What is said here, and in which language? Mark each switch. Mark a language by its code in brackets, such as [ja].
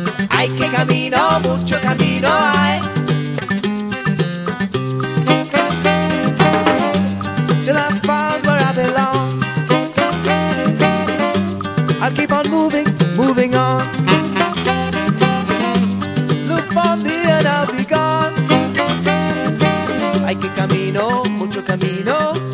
[es] Hay que camino, mucho camino hay. [en] Till I found where I belong, I'll keep on moving, moving on. Look for me and I'll be gone. [es] Hay que camino, mucho camino.